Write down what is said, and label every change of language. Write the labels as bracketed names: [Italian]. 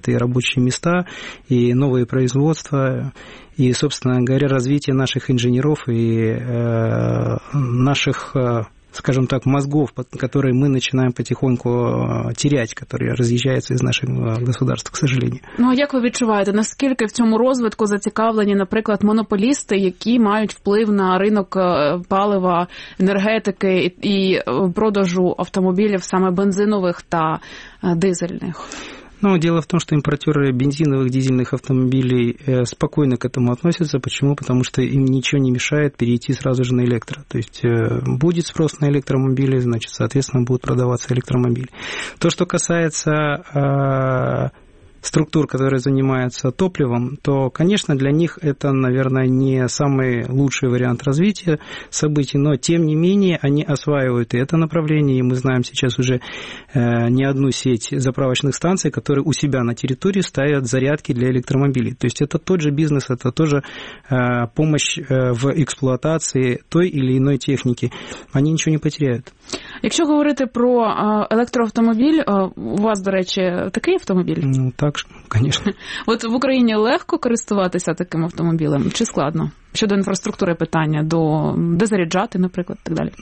[Russian] Это и рабочие места, и новые производства, и, собственно говоря, развитие наших инженеров и наших, скажем так, мозгов, которые мы начинаем потихоньку терять, которые разъезжаются из нашего государства, к сожалению. [Ukrainian] Ну, а як ви відчуваєте, наскільки в цьому розвитку зацікавлені, наприклад, монополісти, які мають вплив на ринок палива, енергетики і продажу автомобілів саме бензинових та дизельних? [Russian] Ну, дело в том, что импортеры бензиновых, дизельных автомобилей спокойно к этому относятся. Почему? Потому что им ничего не мешает перейти сразу же на электро. То есть будет спрос на электромобили, значит, соответственно, будут продаваться электромобили. То, что касается структур, которые занимаются топливом, то, конечно, для них это, наверное, не самый лучший вариант развития событий, но, тем не менее, они осваивают и это направление, и мы знаем сейчас уже не одну сеть заправочных станций, которые у себя на территории ставят зарядки для электромобилей. То есть это тот же бизнес, это тоже помощь в эксплуатации той или иной техники. Они ничего не потеряют. [Ukrainian] Якщо говорити про електроавтомобіль, у вас, до речі, такий автомобіль? Ну, так, звісно. От в Україні легко користуватися таким автомобілем чи складно? Щодо інфраструктури питання, до де заряджати, наприклад, так далі.